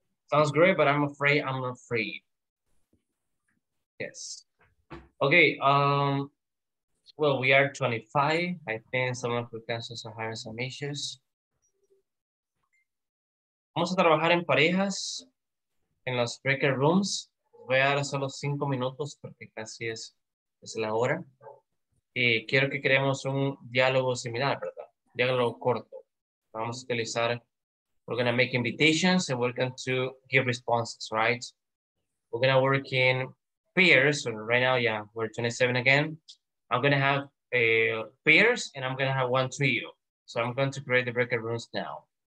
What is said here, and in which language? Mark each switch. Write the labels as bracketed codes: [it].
[en] Sounds great, but I'm afraid I'm not free. Yes. Okay. Well, we are 25. I think some of the professors are having some issues. [es] Vamos a trabajar en parejas, en las breaker rooms. Voy a dar solo 5 minutos porque casi es la hora. Y quiero que creemos un diálogo similar, ¿verdad? Diálogo corto. Vamos a utilizar, [en] we're gonna make invitations and we're going to give responses, right? We're gonna work in pairs, so right now, yeah, we're 27 again. I'm gonna have pairs and I'm gonna have one trio. So I'm going to create the breakout rooms now.